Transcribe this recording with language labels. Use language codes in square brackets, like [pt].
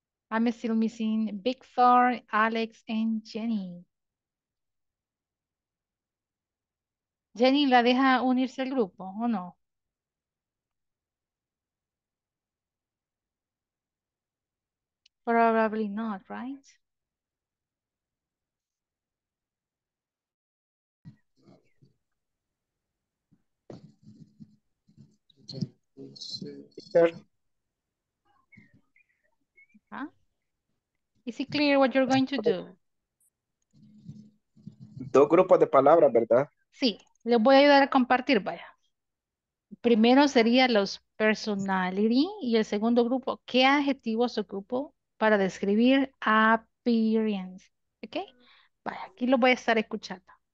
[en] I'm still missing Big Thor, Alex, and Jenny. [es] Jenny, ¿la deja unirse al grupo o no? [en] Probably not, right? Huh? Is it clear what you're going to do? [es] Dos grupos de palabras, ¿verdad? Sí, les voy a ayudar a compartir, vaya. Primero sería los personality y el segundo grupo, ¿qué adjetivos ocupo para describir appearance? ¿Ok? Vale, aquí lo voy a estar escuchando.